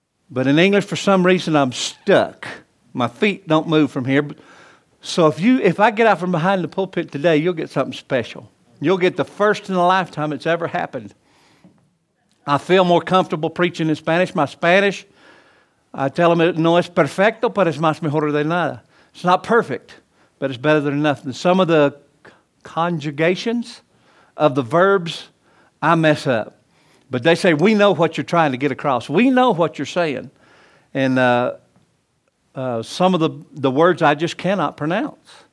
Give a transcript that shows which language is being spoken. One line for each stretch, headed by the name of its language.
English: But in English, for some reason, I'm stuck. My feet don't move from here. So if I get out from behind the pulpit today, you'll get something special. You'll get the first in a lifetime it's ever happened. I feel more comfortable preaching in Spanish. My Spanish, I tell them,
Spanish: no es perfecto, pero es más mejor de nada.
English: It's not perfect, but it's better than nothing. Some of the conjugations of the verbs, I mess up. But they say, we know what you're trying to get across. We know what you're saying. And some of the words I just cannot pronounce.